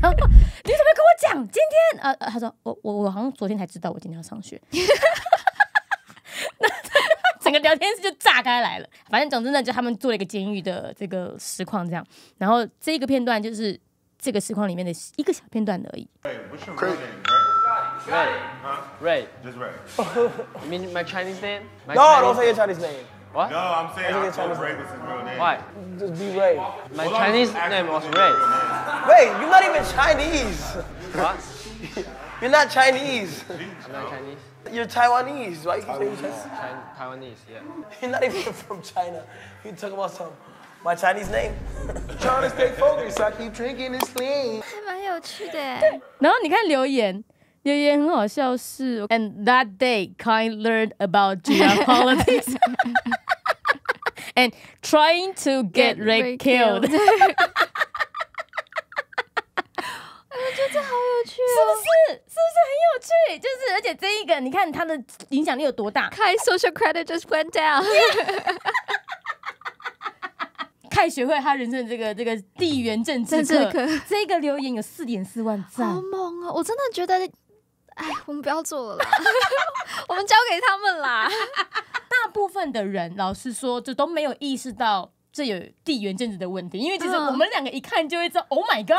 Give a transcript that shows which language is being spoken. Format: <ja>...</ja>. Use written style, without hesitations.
<zh>然后你怎么跟我讲今天？他说我好像昨天才知道我今天要上学，那整个聊天室就炸开来了。反正总之呢，就他们做了一个监狱的这个实况这样，然后这个片段就是这个实况里面的一个小片段而已。</zh> <en>Ray, you mean my Chinese name? No, don't say your Chinese name. What? No, I'm saying I told Ray this is real name. Why? Just be Ray. My Chinese name was Ray. Ray, you're not even Chinese. What? You're not Chinese. I'm not Chinese. You're Taiwanese, right? Taiwanese, yeah. You're not even from China. You talk about some... My Chinese name. Trying to stay focused, I keep drinking and sleeping.</en> <zh>还蛮有趣的。然后你看留言。留言很好笑是</zh> <en>And that day Kind learned about geopolitics and trying to get Ray killed</en> <zh>我觉得这好有趣哦，是不是很有趣，就是而且这一个你看他的影响力有多大。</zh> <en>Kai's social credit just went down。</en> <zh>Kai 学会他人生的这个地缘政治课这个留言有 4.4 万赞，好猛哦。我真的觉得哎，我们不要做了啦，我们交给他们啦。大部分的人，老实说，就都没有意识到这有地缘政治的问题，因为其实我们两个一看就会知道 ，</zh> <en>Oh my God，</en>